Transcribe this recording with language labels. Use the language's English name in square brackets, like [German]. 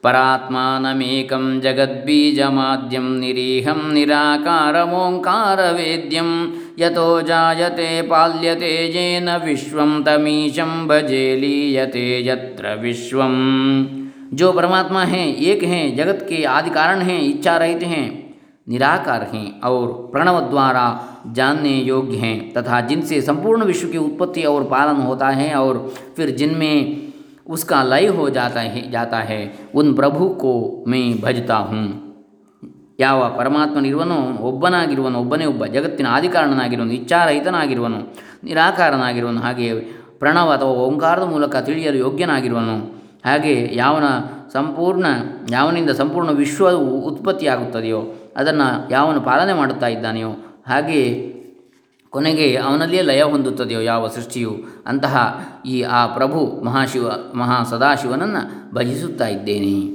[Sanskrit] ಪರಾತ್ಮನಮೇಕಂ ಜಗದ್ಬೀಜಮಾದ್ಯಂ ನಿರೀಹಂ ನಿರಾಕಾರಮೋಂಕಾರ ವೇದ್ಯಂ ಯತೋ ಜಾಯತೆ ಪಾಲ್ಯತೆ ಜೇನ ವಿಶ್ವಂ ತಮೀಶಂ ಭಜೇಲೀಯತೆ ಯತ್ರ ವಿಶ್ವಂ. [Hindi] ಜೋ ಪರಮಾತ್ಮ ಹೇ ಏಕ ಹೇ ಜಗತ್ಕೆ ಆದಿ ಕಾರಣ ಹೇ ಇಚ್ಛಾರಹಿತ ಹೇ निराकार हैं और प्रणव द्वारा जानने योग्य हैं तथा जिनसे संपूर्ण विश्व की उत्पत्ति और पालन होता है और फिर जिनमें उसका लय हो जाता है उन प्रभु को मैं भजता हूँ। [Kannada] ಯಾವ ಪರಮಾತ್ಮನಿರುವನೋ ಒಬ್ಬನಾಗಿರುವನು ಒಬ್ಬನೇ ಒಬ್ಬ ಜಗತ್ತಿನ ಆದಿಕಾರಣನಾಗಿರುವನು ಇಚ್ಛಾರಹಿತನಾಗಿರುವನು ನಿರಾಕಾರನಾಗಿರುವನು ಹಾಗೆ ಪ್ರಣವ ಅಥವಾ ಓಂಕಾರದ ಮೂಲಕ ತಿಳಿಯಲು ಯೋಗ್ಯನಾಗಿರುವನು ಹಾಗೆ ಯಾವನಿಂದ ಸಂಪೂರ್ಣ ವಿಶ್ವವು ಉತ್ಪತ್ತಿಯಾಗುತ್ತದೆಯೋ ಅದನ್ನು ಯಾವನು ಪಾಲನೆ ಮಾಡುತ್ತಾ ಇದ್ದಾನೆಯೋ ಹಾಗೆ ಕೊನೆಗೆ ಅವನಲ್ಲಿಯೇ ಲಯ ಹೊಂದುತ್ತದೆಯೋ ಯಾವ ಸೃಷ್ಟಿಯು ಅಂತಹ ಆ ಪ್ರಭು ಮಹಾಸದಾಶಿವನನ್ನು ಭಜಿಸುತ್ತಾ ಇದ್ದೇನೆ।